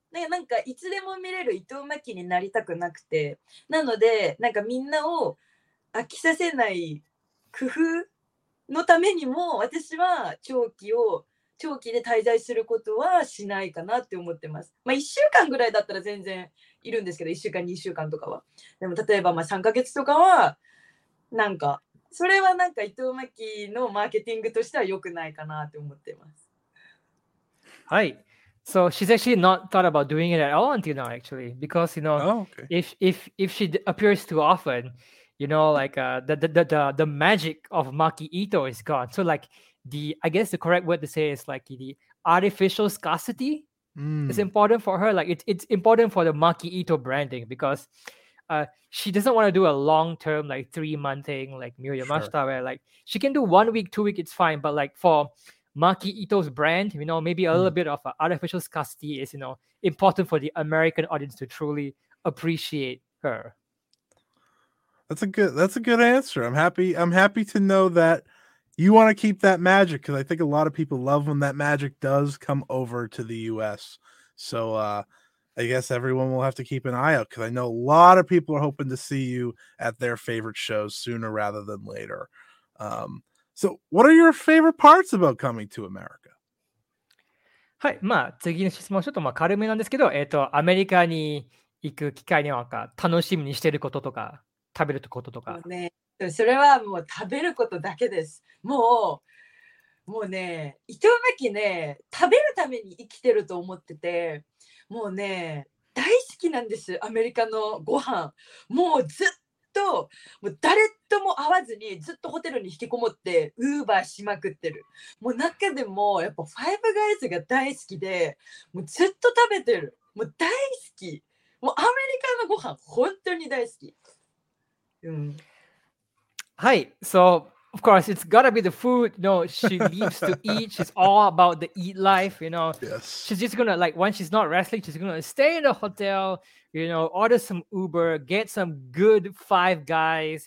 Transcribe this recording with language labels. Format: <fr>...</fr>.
<ja>なんかいつでも見れる伊藤真希になりたくなくて、なのでなんかみんなを飽きさせない工夫のためにも、私は長期で滞在することはしないかなって思ってます。 1週間ぐらいだったら全然いるんですけど、1週間2週間とかは。でも例えば3ヶ月とかは、なんかそれはなんか伊藤真希のマーケティングとしては良くないかなって思ってます。</ja> <en>はい、So she's actually not thought about doing it at all until now, actually, because you know, if she appears too often, you know, like the magic of Maki Itoh is gone. So like I guess the correct word to say is like the artificial scarcity is important for her. Like it's important for the Maki Itoh branding, because she doesn't want to do a long term like 3-month thing like Miyu Yamashita, sure, where like she can do 1 week, 2 weeks, it's fine. But like for Maki Itoh's brand, you know, maybe a little bit of artificial scarcity is, you know, important for the American audience to truly appreciate her. That's a good answer. I'm happy to know that you want to keep that magic, because I think a lot of people love when that magic does come over to the US. So I guess everyone will have to keep an eye out, because I know a lot of people are hoping to see you at their favorite shows sooner rather than later. So what are your favorite parts about coming to America?</en> <ja>はい、次の質問ちょっと軽めなんですけど、アメリカに行く機会には楽しみにしてることとか、食べることとか。ね、それはもう食べることだけです。もうね、伊藤真希ね、食べるために生きてると思ってて、もうね、大好きなんです、アメリカのご飯。もうずっともう誰とも会わずにずっとホテルに引きこもってウーバーしまくってる。もう中でもやっぱファイブガイズが大好きで、もうずっと食べてる。もう大好き。もうアメリカのご飯本当に大好き。</ja> <en>はい、so of course it's gotta be the food. You know, she needs to eat. She's all about the eat life. You know, yes. She's just gonna like when she's not wrestling, she's gonna stay in the hotel. You know, order some Uber, get some good Five Guys.</en>